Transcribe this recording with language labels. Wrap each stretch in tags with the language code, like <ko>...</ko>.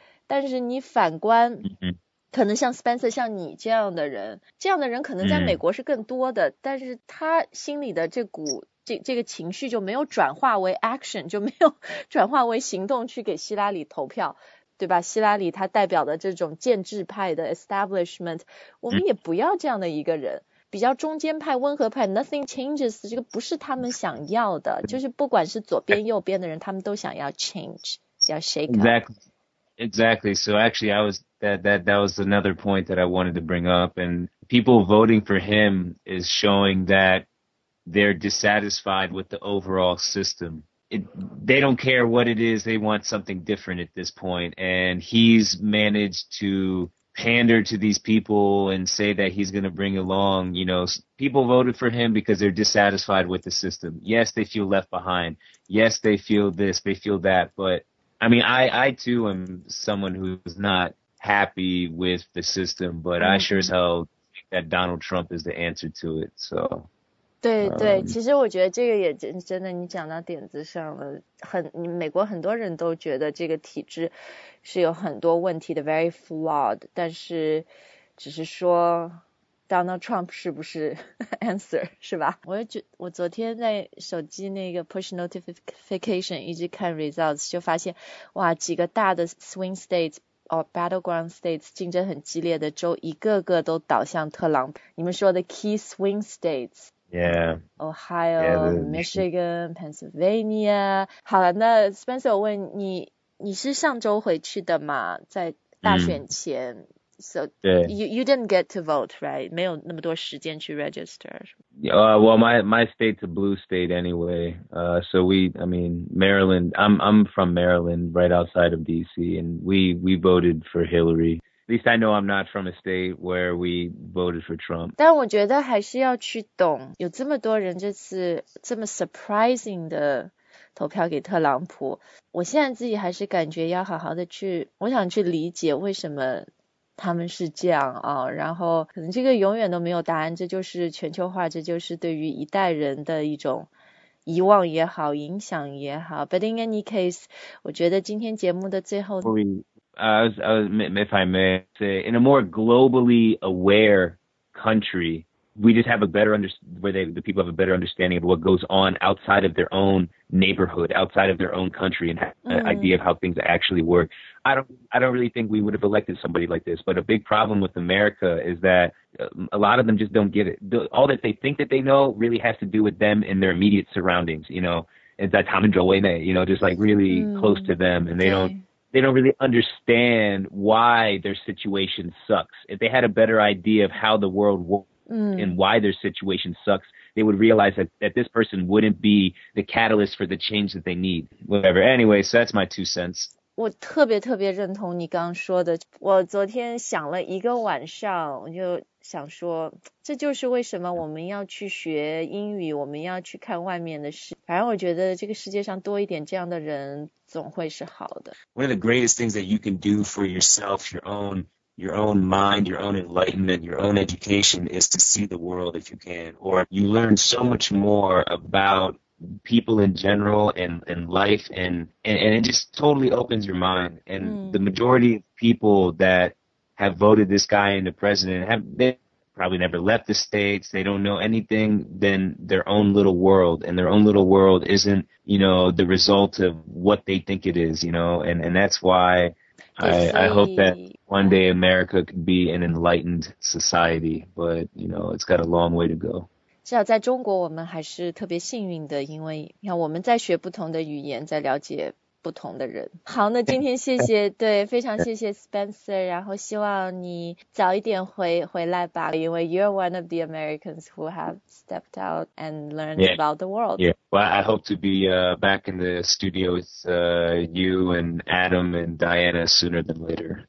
<zh>但是你反观，可能像 Spencer 像你这样的人可能在美国是更多的、嗯、但是他心里的这个情绪就没有转化为 action， 就没有转化为行动去给希拉里投票，对吧？希拉里他代表的这种建制派的 establishment， 我们也不要这样的一个人、嗯、比较中间派温和派</zh> <en>nothing changes，</en> <zh>这个不是他们想要的，就是不管是左边右边的人他们都想要 change， 要</zh> <en>shake up。 Exactly. So actually I was that was another point that I wanted to bring up, and people voting for him is showing that they're dissatisfied with the overall system. They don't care what it is. They want something different at this point. And he's managed to pander to these people and say that he's going to bring along, you know, people voted for him because they're dissatisfied with the system. Yes, they feel left behind. Yes, they feel this, they feel that, but... I mean, I too am someone who's not happy with the system, but、mm-hmm. I sure as hell think that Donald Trump is the answer to it, so.</en> <zh>对对，其实我觉得这个也真的你讲到点子上了，美国很多人都觉得这个体制是有很多问题的 ,</zh> <en>very flawed,</en> <zh>但是只是说 Donald Trump 是不是 answer, 是吧？我昨天在手机那个 push notification 一直看 results, 就发现哇几个大的</zh> <en>swing states,battleground states</en> <zh>竞争很激烈的州一个个都倒向特朗普，你们说的</zh> <en>key swing states yeah</en> <zh>Ohio yeah, Michigan Pennsylvania 好了，那 Spencer 我问你，你是上周回去的吗？在大选前、嗯、</zh> <en>so</en> <zh>对</zh> <en>you didn't get to vote right</en> <zh>没有那么多时间去</zh> <en>register well my state's a blue state anyway so we I mean Maryland I'm from Maryland right outside of DC and we voted for Hillary least I know I'm not from a state where we voted for Trump.</en> <zh>但我觉得还是要去懂，有这么多人这次这么 surprising 的投票给特朗普，我现在自己还是感觉要好好的去，我想去理解为什么他们是这样啊，然后可能这个永远都没有答案，这就是全球化，这就是对于一代人的一种遗忘也好，影响也好。</zh> <en>But in any case,</en> <zh>我觉得今天节目的最后</zh> <en>if I may say, in a more globally aware country, we just have a better the people have a better understanding of what goes on outside of their own neighborhood, outside of their own country, and an idea of how things actually work. I don't really think we would have elected somebody like this, but a big problem with America is that a lot of them just don't get it. All that they think that they know really has to do with them and their immediate surroundings, you know, and that Tom and Joe, you know, just like really close to them, and they don't really understand why their situation sucks. If they had a better idea of how the world works and why their situation sucks, they would realize that this person wouldn't be the catalyst for the change that they need. Whatever. Anyway, so that's my two cents.</en> <zh>我特别特别认同你刚说的，我昨天想了一个晚上，我就想说，这就是为什么我们要去学英语，我们要去看外面的事。反正我觉得这个世界上多一点这样的人总会是好的。</zh> <en>One of the greatest things that you can do for yourself, your own mind, your own enlightenment, your own education is to see the world if you can. Or you learn so much more about people in general and life, and it just totally opens your mind. And the majority of people that have voted this guy into president have they probably never left the States. They don't know anything than their own little world. And their own little world isn't, you know, the result of what they think it is, you know, and that's why I hope that one day America could be an enlightened society, but, you know, it's got a long way to go.</en> <zh>至少在中国我们还是特别幸运的，因为我们在学不同的语言，在了解不同的人。好，那今天谢谢对，非常谢谢 Spencer, 然后希望你早一点回来吧，因为</zh> <en>you're one of the Americans who have stepped out and learned about the world. Yeah, well, I hope to be back in the studio with you and Adam and Diana sooner than later.</en>